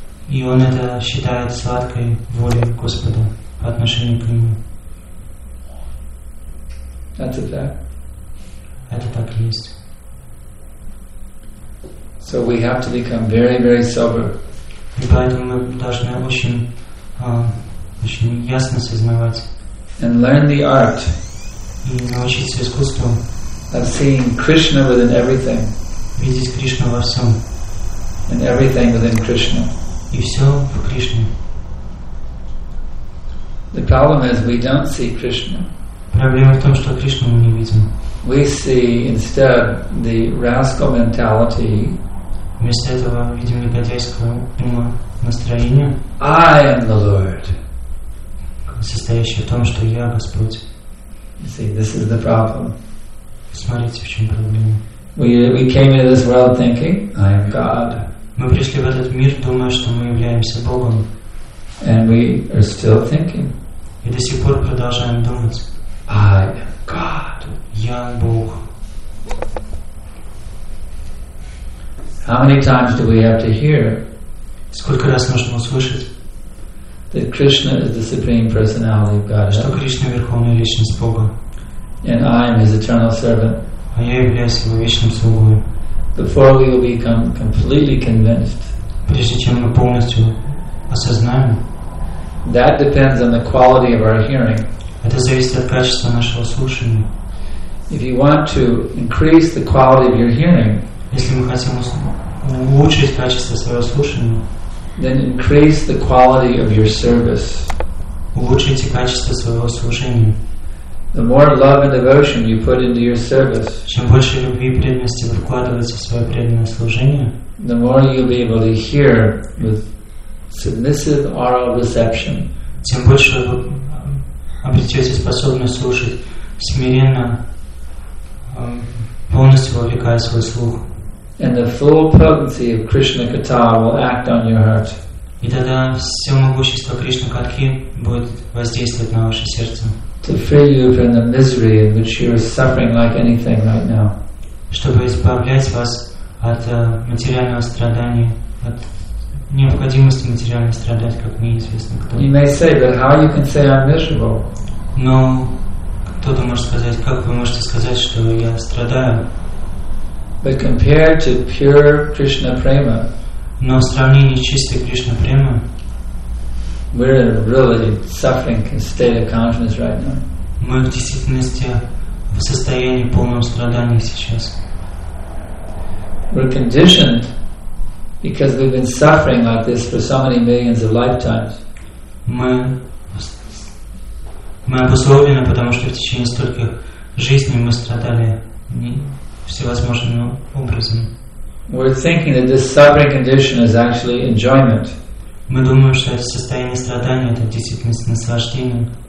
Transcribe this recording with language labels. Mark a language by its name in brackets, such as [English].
[Russian] И он это считает сладкой волей Господа по отношению к нему. [English] That's it. [Russian] Это так и есть. [English] So we have to become very, very sober. [Russian] И поэтому мы должны очень ясно сознавать. [English] And learn the art. [Russian] И научиться искусству. [English] Of seeing Krishna within everything. [Russian] Видеть Кришну во всем. [English] And everything within Krishna. [Russian] И все в Кришне. [English] The problem is we don't see Krishna. [Russian] Проблема в том, что Кришну мы не видим. [English] We see instead the rascal mentality. [Russian] Вместо этого видим негодяйское умонастроение. [English] I am the Lord. [Russian] Состоящее в том, что я Господь. [English] You see, this is the problem. [Russian] Смотрите, в чем проблема. [English] We came into this world thinking, I am God. [Russian] Мы пришли в этот мир, думая, что мы являемся Богом. [English] And we are still thinking. [Russian] И до сих пор продолжаем думать. [English] I am God. [Russian] Я Бог. [English] How many times do we have to hear? [Russian] Сколько раз нужно услышать? [English] That Krishna is the supreme personality of Godhead. [Russian] Что Кришна верховная личность Бога. [English] And I am His eternal servant. [Russian] А я являюсь Его вечным слугой. [English] Before we will become completely convinced. [Russian] Прежде чем мы полностью осознаем. [English] That depends on the quality of our hearing. [Russian] Это зависит от качества нашего слушания. [English] If you want to increase the quality of your hearing. [Russian] Если мы хотим улучшить качество своего слушания. [English] Then increase the quality of your service. [Russian] Улучшите качество своего служения. [English] The more love and devotion you put into your service, [Russian] чем больше любви и преданности вы вкладываете в свое преданное служение, [English] the more you'll be able to hear with submissive oral reception. [Russian] Тем больше вы обретете способность слушать смиренно, полностью вовлекая свой слух. [English] And the full potency of Krishna Katha will act on your heart. [Russian] И тогда все могущество Кришна Катхи будет воздействовать на ваше сердце. [English] To free you from the misery in which you are suffering like anything right now. [Russian] Чтобы избавлять вас от материального страдания, от необходимости материально страдать, как мне известно. [English] You may say, but how you can say I'm miserable? [Russian] Но кто-то может сказать, как вы можете сказать, что я страдаю? [English] But compared to pure Krishna prema, [Russian] но в сравнении с чистой Кришна према, [English] we're in a really suffering state of consciousness right now. [Russian] Мы в действительности в состоянии полного страдания сейчас. [English] we're conditioned because we've been suffering like this for so many millions of lifetimes. [Russian] Мы обусловлены, потому что в течение стольких жизней мы страдали всевозможными образами. [English] We're thinking that this suffering condition is actually enjoyment. [Russian] Мы думаем, что это состояние страдания — это действительно наслаждение.